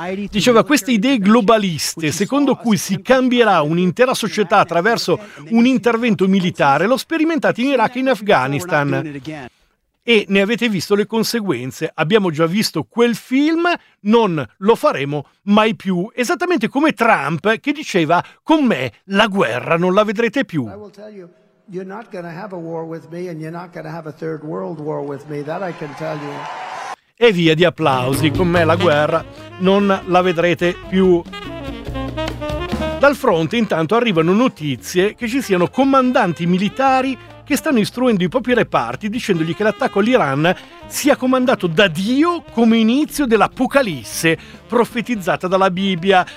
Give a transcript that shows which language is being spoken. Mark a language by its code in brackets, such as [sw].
[it] Diceva queste idee globaliste, secondo cui si cambierà un'intera società attraverso un intervento militare, l'ho sperimentato in Iraq e in Afghanistan. E ne avete visto le conseguenze. Abbiamo già visto quel film, non lo faremo mai più. Esattamente come Trump, che diceva: con me la guerra non la vedrete più. [en] I will tell you, you're not gonna have a war with me and you're not gonna have a third world war with me, that I can tell you. [it] E via di applausi, con me la guerra non la vedrete più. Dal fronte intanto arrivano notizie che ci siano comandanti militari che stanno istruendo i propri reparti dicendogli che l'attacco all'Iran sia comandato da Dio come inizio dell'apocalisse profetizzata dalla Bibbia.